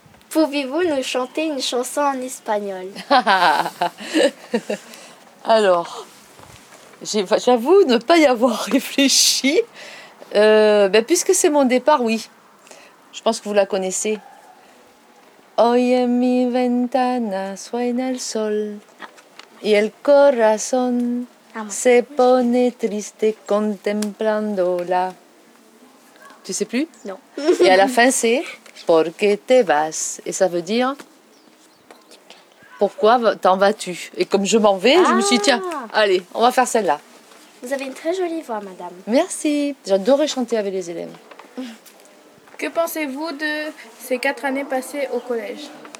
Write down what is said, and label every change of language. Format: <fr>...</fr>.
<fr>Pouvez-vous nous chanter une chanson en espagnol? Alors, j'avoue ne pas y avoir réfléchi. Ben, puisque c'est mon départ, oui. Je pense que vous la connaissez.</fr> <es>Hoy en mi ventana suena el sol y el corazón se pone triste contemplándola.</es> <fr>Tu sais plus? Non. Et à la fin, c'est...</fr> <es>Porque te vas.</es> <fr>Et ça veut dire pourquoi t'en vas-tu? Et comme je m'en vais, je me suis dit, tiens, allez, on va faire celle-là. Vous avez une très jolie voix, madame. Merci. J'adorais chanter avec les élèves. Que pensez-vous de ces 4 années passées au collège?</fr>